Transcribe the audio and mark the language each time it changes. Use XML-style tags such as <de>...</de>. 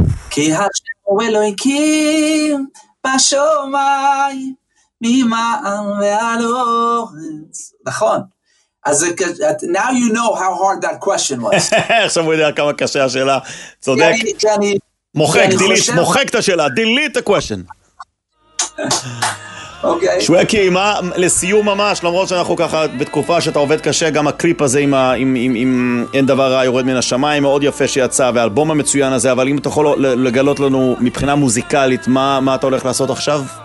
<he>כי השם הוא אלוהיקים בשומיים ממעם ועל אורץ. נכון. אז</he> <en>now you know how hard that question was.</en> <he>עכשיו הוא יודע כמה קשה השאלה. צודק. מוחק, דילית, מוחק את השאלה. דילית את הקוושן. אוקיי. שואקי, מה, לסיום ממש, למרות שאנחנו ככה בתקופה שאתה עובד קשה, גם הקליפ הזה עם, עם, עם, עם אין דבר רע יורד מן השמיים, מאוד יפה שיצא, והאלבום המצוין הזה, אבל אם אתה יכול לגלות לנו מבחינה מוזיקלית, מה אתה הולך לעשות עכשיו?</he>